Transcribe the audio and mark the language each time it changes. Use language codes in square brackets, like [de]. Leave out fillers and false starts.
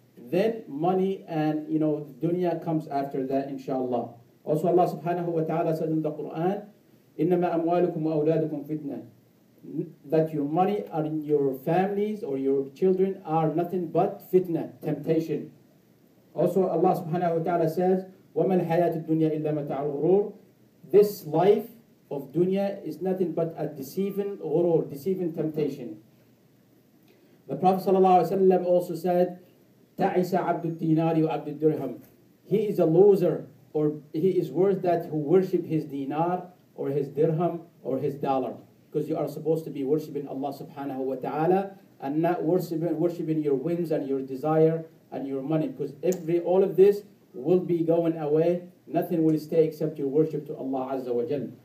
[en] Then money and, you know, dunya comes after that, inshallah. Also Allah subhanahu wa ta'ala said in the Quran, [ar] إِنَّمَا أَمْوَالُكُمْ وَأَوْلَادُكُمْ فِتْنَةً, [en] that your money and your families or your children are nothing but fitna, temptation. Also Allah subhanahu wa ta'ala says, [ar] وما الحياة الدنيا إلا متاع الغرور. [en] This life of dunya is nothing but a deceiving غرور, deceiving temptation. The Prophet صلى الله عليه وسلم also said, [ar] تعس عبد الدينار وعبد الدرهم. [en] He is a loser, or he is worse that who worship his dinar or his dirham or his dollar. Because you are supposed to be worshiping Allah subhanahu wa ta'ala and not worshiping your whims and your desire and your money. Because all of this will be going away. Nothing will stay except your worship to Allah Azza wa Jal.